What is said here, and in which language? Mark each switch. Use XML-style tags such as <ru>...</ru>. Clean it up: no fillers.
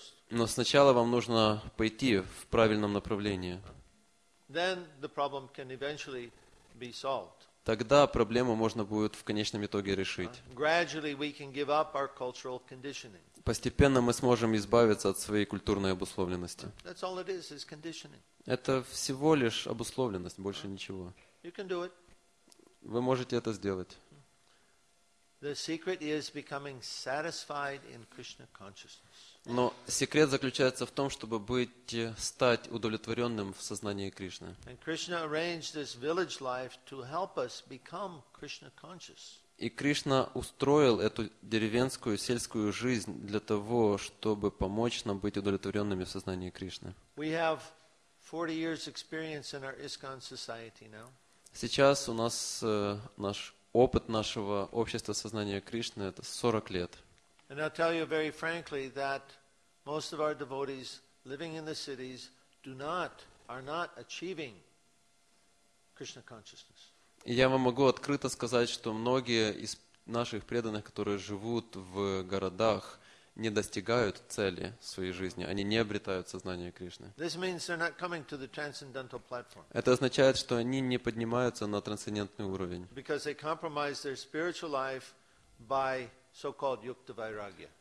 <ru>Но сначала вам нужно пойти в правильном направлении.</ru> <en>Then the problem can eventually be solved.</en> <ru>Тогда проблему можно будет в конечном итоге решить.</ru> <en>Gradually we can give up our cultural conditioning.</en> <ru>Постепенно мы сможем избавиться от своей культурной обусловленности.</ru> <en>That's all it is conditioning.</en> <ru>Это всего лишь обусловленность, больше ничего.</ru> <en>You can do it.</en> <ru>Вы можете это сделать.</ru> <en>The secret is becoming satisfied in Krishna consciousness.</en> <ru>Но секрет заключается в том, чтобы стать удовлетворенным в сознании Кришны.</ru> <en>And Krishna arranged this village life to help us become Krishna conscious.</en> <ru>И Кришна устроил эту деревенскую сельскую жизнь для того, чтобы помочь нам быть удовлетворенными в сознании Кришны.</ru> <en>We have 40 years experience in our ISKCON society now.</en> <ru>Сейчас у нас наш опыт нашего общества сознания Кришны это 40 лет.</ru> <en>And I'll tell you very frankly that most of our devotees living in the cities are not achieving Krishna consciousness.</en> <ru>Я вам могу открыто сказать, что многие из наших преданных, которые живут в городах, не достигают цели своей жизни. Они не обретают сознание Кришны.</ru> <en>This means they're not coming to the transcendental platform.</en> <ru>Это означает, что они не поднимаются на трансцендентный уровень.</ru> <en>Because they compromise their spiritual life by so-called Yukta Vairagya.</en>